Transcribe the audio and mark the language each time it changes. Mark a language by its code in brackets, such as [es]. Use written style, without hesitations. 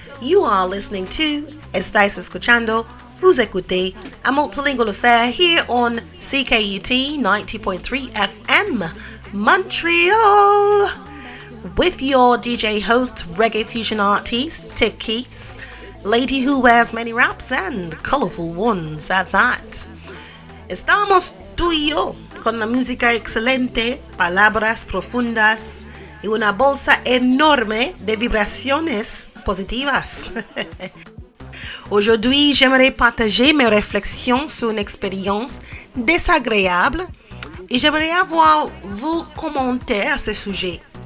[en] You are listening to Estáis Escuchando, Vous Écoutez, A Multilingual Affair here on CKUT 90.3 FM, Montreal. With your DJ host, reggae fusion artist, Tip Keith, lady who wears many wraps and colorful ones at that. [es] Estamos tú y yo con la música excelente, palabras profundas y una bolsa enorme de vibraciones positivas. [fr] Aujourd'hui, j'aimerais partager mes réflexions sur une expérience désagréable et j'aimerais avoir vos commentaires à ce sujet.